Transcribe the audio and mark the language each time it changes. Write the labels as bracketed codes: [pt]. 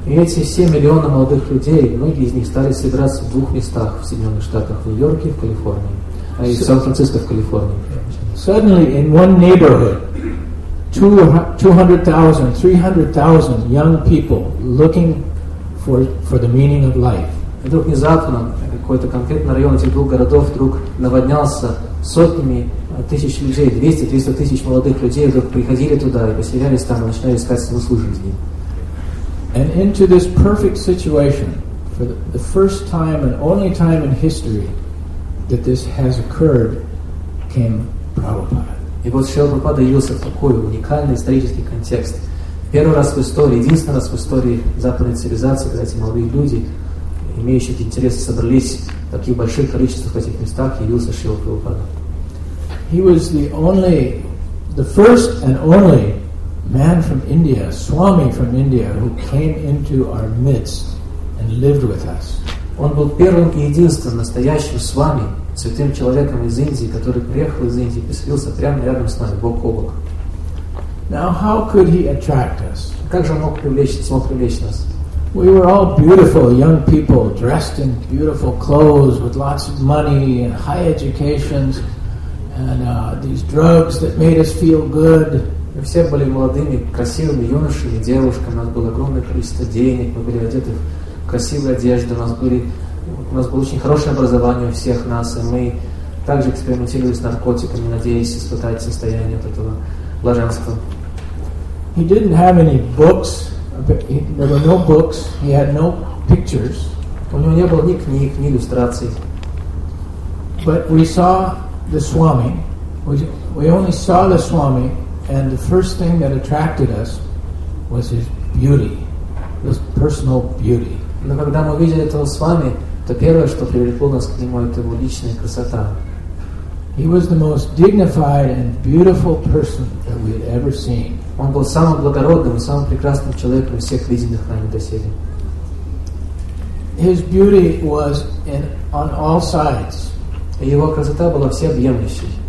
[ru] И эти 7 миллионов молодых людей, многие из них стали собираться в двух местах в Соединенных Штатах, в Нью-Йорке, в Калифорнии, а и в Сан-Франциско, в Калифорнии. [en] Suddenly, in one neighborhood, 200,000, 300,000 young people looking for the meaning of life. [ru] Вдруг внезапно какой-то конкретный район этих двух городов вдруг наводнялся сотнями тысяч людей, 200-300 тысяч молодых людей вдруг приходили туда и поселялись там и начинали искать смысл жизни. [en] And into this perfect situation, for the first time and only time in history that this has occurred, came Prabhupada. [ru] И вот Шрила Прабхупада явился в такой уникальный исторический контекст. Первый раз в истории, единственный раз в истории западной цивилизации, когда эти молодые люди, имеющие эти интересы, собрались в таких больших количествах в этих местах, явился Шрила Прабхупада. [en] He was the first and only man from India, Swami from India, who came into our midst and lived with us. [ru] Он был первым и единственным настоящим Свами, святым человеком из Индии, который приехал из Индии и поселился прямо рядом с нами, бок о бок. [en] Now, how could he attract us? [ru] Как же он смог привлечь нас? [en] We were all beautiful young people, dressed in beautiful clothes, with lots of money and high educations. And these drugs that made us feel good. [ru] Мы все были молодыми, красивыми юношами, девушками. У нас было огромное количество денег. Мы были одеты в красивую одежду. У нас было очень хорошее образование у всех нас. И мы также экспериментировали с наркотиками, надеясь испытать состояние этого блаженства. [en] He didn't have any books. There were no books. He had no pictures. [ru] У него не было ни книг, ни иллюстраций. [en] But we saw the Swami. We only saw the Swami, and the first thing that attracted us was his beauty, his personal beauty. [ru] Но когда мы видели этого Свами, то первое, что привлекло нас к нему, это его личная красота. [en] He was the most dignified and beautiful person that we had ever seen. [ru] Он был самым благородным и самым прекрасным человеком из всех виденных нами доселе. [en] His beauty was on all sides. [ru] И его красота была всеобъемлющей.